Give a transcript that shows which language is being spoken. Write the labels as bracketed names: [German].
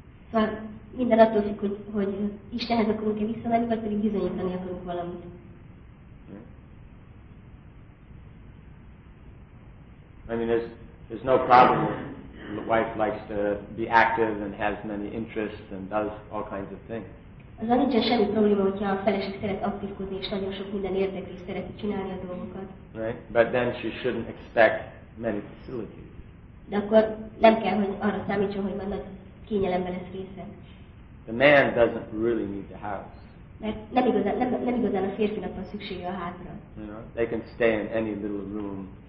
[Hungarian] Szóval minden attól függ, hogy Istenhez akarunk-e visszamenni, vagy pedig bizonyítani akarunk valamit. [English] I mean, there's no problem if the wife likes to be active and has many interests and does all kinds of things. [Hungarian] Az a nincsen semmi probléma, hogyha a feleség szeret aktívkodni és nagyon sok minden érdekli, és szeret csinálni a dolgokat. [English] Right? But then she shouldn't expect many facilities. [Hungarian] De akkor nem kell, hogy arra számítson, hogy már nagy kényelemben lesz része. [English] The man doesn't really need the house. [Hungarian] Mert nem igazán a férfinak van szüksége a házra. [English] You know, they can stay in any little room.